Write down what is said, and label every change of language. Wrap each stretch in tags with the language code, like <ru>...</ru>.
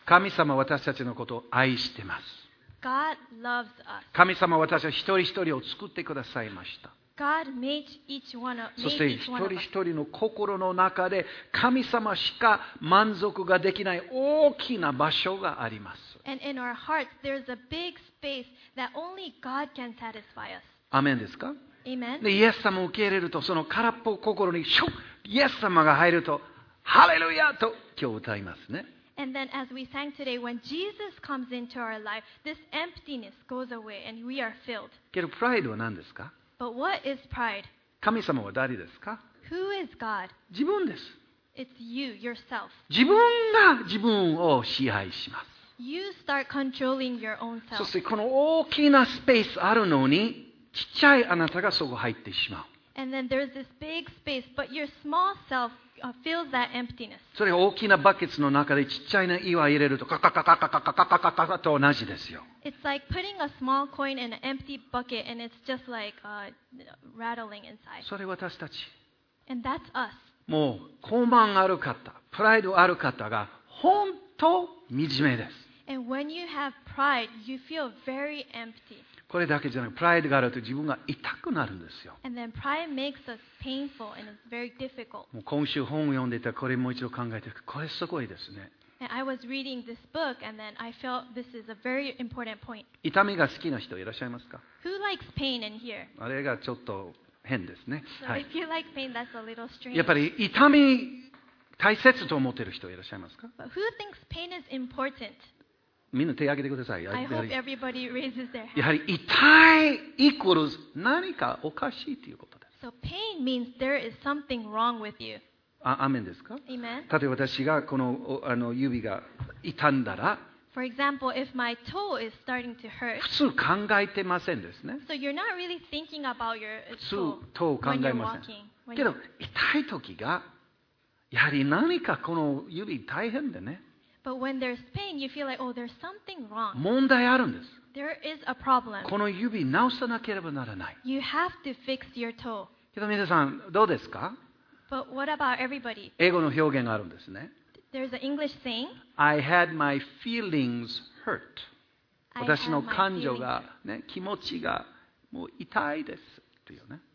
<ja>神様私たちのことを愛してます。</ja> <en>God loves us.</en> <ja>神様私は一人一人を作ってくださいました。</ja> <en>God made each one of us.</en> <ja>そして一人一人の心の中で神様しか満足ができない大きな場所があります。</ja> <en>And in our hearts, there's a big space that only God can satisfy us.</en> <ja>アメンですか？でイエス様を受け入れるとその空っぽ心にシュッイエス様が入るとハレルヤと今日歌いますね。</ja> <en>And then as we sang today, when Jesus comes into our life, this emptiness goes away and we are filled.</en> <ja>けどプライドは何ですか？</ja> <en>But what is pride?</en> <ja>神様は誰ですか？</ja> <en>Who is God?</en> <ja>自分です。</ja> <en>It's you, yourself.</en> <ja>自分が自分を支配します。</ja> <en>You start controlling your own self.</en> <ja>そしてこの大きなスペースあるのに。ちっちゃいあなたがそこ入ってしまう。</ja> <en>And then there's this big space, but your small self fills that emptiness.</en> <ja>それが大きなバケツの中でちっちゃいな岩入れるとカカカカカカカカカカカカと同じですよ。</ja> <en>It's like putting a small coin in an empty bucket, and it's just like rattling inside.</en> <ja>それ私たち。</ja> <en>And that's us.</en> <ja>もう傲慢ある方、プライドある方が本当惨めです。</ja> <en>And when you have pride, you feel very empty.</en> <ja>これだけじゃなくて、プライドがあると自分が痛くなるんですよ。</ja> <en>And then pride makes us painful and it's very difficult.</en> <ja>もう今週本を読んでいたら、これもう一度考えて、これすごいですね。</ja> <en>And I was reading this book and then I felt this is a very important point.</en> <ja>痛みが好きな人いらっしゃいますか？</ja> <en>Who likes pain in here?</en> <ja>あれがちょっと変ですね、</ja> <en>はい、so like、pain,</en> <ja>やっぱり痛み大切と思っている人いらっしゃいますか？</ja> <en>But who thinks pain is important?</en> <ja>みんな手を挙げてください。</ja> <en>I hope everybody raises their hand.</en> <ja>やはり痛いイコール何かおかしいということです。</ja> <en>So pain means there is something wrong with you.</en> <ja>アーメンですか？</ja> <en>Amen.</en> <ja>例えば私がこの、指が痛んだら、</ja> <en>For example, if my toe is starting to hurt,</en> <ja>普通考えてませんですね。</ja> <en>So you're not really thinking about your</en> <ja>toe. 普通トを考えません。けど痛い時がやはり何かこの指大変でね。</ja> <en>But when there's pain, you feel like, oh, there's something wrong.</en> <ja>問題あるんです。</ja> <en>There is a problem.</en> <ja>この指直さなければならない。</ja> <en>You have to fix your toe.</en> <ja>けど皆さんどうですか？</ja> <en>But what about everybody?</en> <ja>英語の表現があるんですね。</ja> <en>There's an English saying. I had my feelings hurt.</en> <ja>私の感情がね、気持ちがもう痛いですっていうね。</ja>